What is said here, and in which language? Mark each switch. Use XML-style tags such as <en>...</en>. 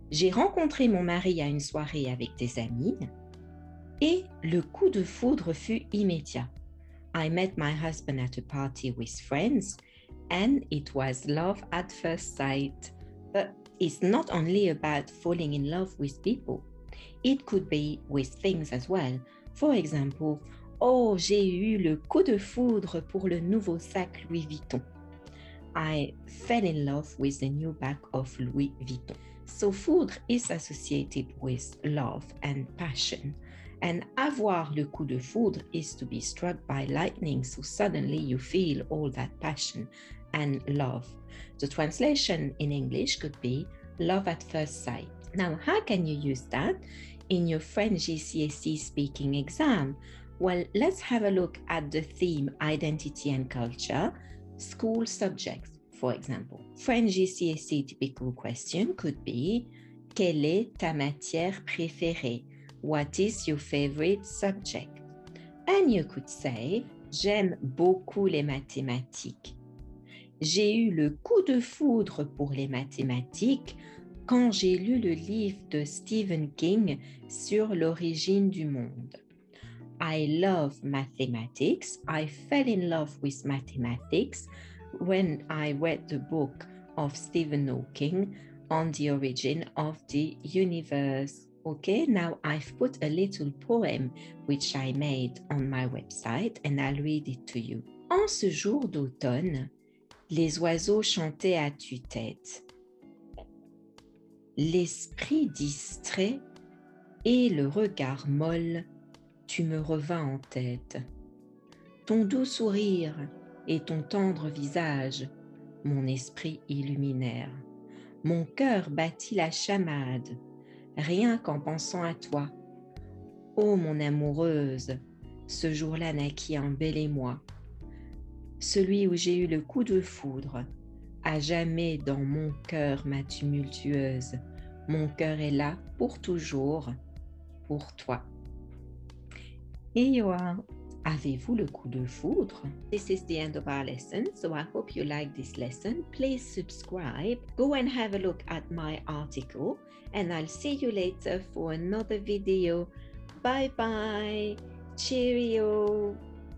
<fr>J'ai rencontré mon mari à une soirée avec des amis et le coup de foudre fut immédiat.</fr> <en>I met my husband at a party with friends and it was love at first sight. But it's not only about falling in love with people. It could be with things as well. For example, oh,</en> <fr>j'ai eu le coup de foudre pour le nouveau sac Louis Vuitton.</fr> <en>I fell in love with the new bag of Louis Vuitton. So foudre is associated with love and passion. And</en> <fr>avoir le coup de foudre</fr> <en>is to be struck by lightning. So suddenly you feel all that passion and love. The translation in English could be love at first sight. Now, how can you use that in your French GCSE speaking exam? Well, let's have a look at the theme identity and culture. School subjects, for example. French GCSE typical question could be,</en> <fr>quelle est ta matière préférée?</fr> <en>What is your favorite subject? And you could say,</en> <fr>j'aime beaucoup les mathématiques. J'ai eu le coup de foudre pour les mathématiques quand j'ai lu le livre de Stephen King sur l'origine du monde.</fr> <en>I love mathematics. I fell in love with mathematics when I read the book of Stephen Hawking on the origin of the universe. Okay, now I've put a little poem which I made on my website and I'll read it to you.</en> <fr>En ce jour d'automne, les oiseaux chantaient à tue-tête. L'esprit distrait et le regard molle. Tu me revins en tête. Ton doux sourire et ton tendre visage, mon esprit illuminèrent. Mon cœur battit la chamade, rien qu'en pensant à toi. Ô mon amoureuse, ce jour-là naquit un bel émoi. Celui où j'ai eu le coup de foudre, à jamais dans mon cœur ma tumultueuse, mon cœur est là pour toujours, pour toi.</fr> <en>Here you are.</en> <fr>Avez-vous le coup de foudre?</fr> <en>This is the end of our lesson, so I hope you like this lesson. Please subscribe, go and have a look at my article, and I'll see you later for another video. Bye bye. Cheerio.</en>